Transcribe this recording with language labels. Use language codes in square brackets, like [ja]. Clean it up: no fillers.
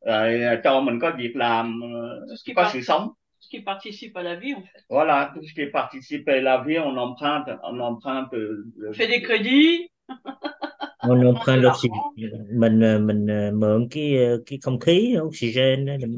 [vi] rồi cho mình có việc làm, có sự sống. [fr] Ce qui participe à la vie, en fait. Voilà, tout ce qui participe à la vie, on emprunte Fait des crédits. On on prend de [vi] l'oxygène, mình mượn cái không khí, oxygène để mình